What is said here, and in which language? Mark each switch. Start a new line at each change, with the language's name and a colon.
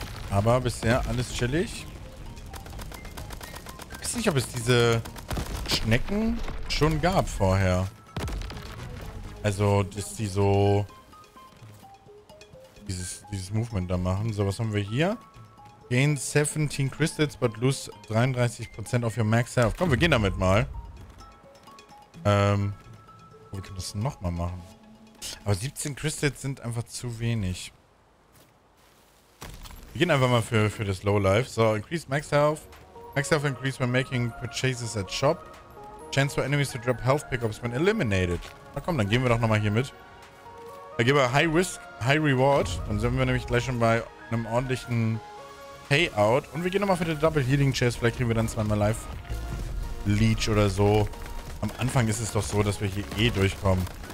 German: Aber bisher alles chillig. Ich weiß nicht, ob es diese Schnecken schon gab vorher. Also, dass die so dieses Movement da machen. So, was haben wir hier?
English: Gain 17 Crystals, but lose 33% of your max health.
German: Komm, wir gehen damit mal. Wir können das nochmal machen. Aber 17 Crystals sind einfach zu wenig. Wir gehen einfach mal für das Low Life.
English: So, increase max health. Max health increase when making purchases at shop. Chance for enemies to drop health pickups when eliminated.
German: Na komm, dann gehen wir doch nochmal hier mit. Da geben wir
English: High Risk, High Reward.
German: Dann sind wir nämlich gleich schon bei einem ordentlichen Payout. Und wir gehen nochmal für den Double Healing Chest. Vielleicht kriegen wir dann zweimal Life Leech oder so. Am Anfang ist es doch so, dass wir hier eh durchkommen.